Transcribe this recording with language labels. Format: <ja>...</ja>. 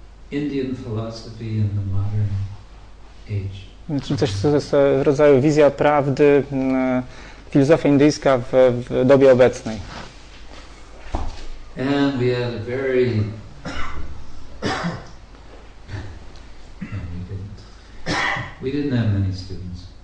<en>Indian philosophy in the modern age.</en> <pl>Czyli coś z rodzaju wizja prawdy, filozofia indyjska w dobie obecnej.</pl> <en>And we had a very we didn't have many students.</en>